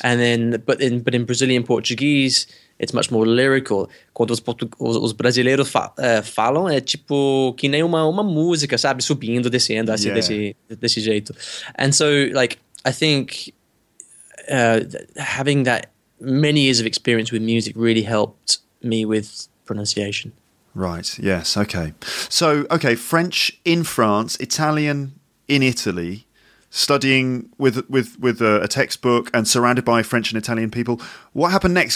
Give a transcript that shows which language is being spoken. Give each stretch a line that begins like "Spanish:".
English: And then, but in Brazilian Portuguese, it's much more lyrical.
Portuguese: Quando os brasileiros falam, é tipo que nem uma música, sabe? Subindo, descendo, assim, desse jeito.
English: And so, like, I think having that many years of experience with music really helped me with pronunciation. Right, yes, okay. So, okay, French in France, Italian in Italy, studying with a textbook and surrounded by French and Italian people. What happened next?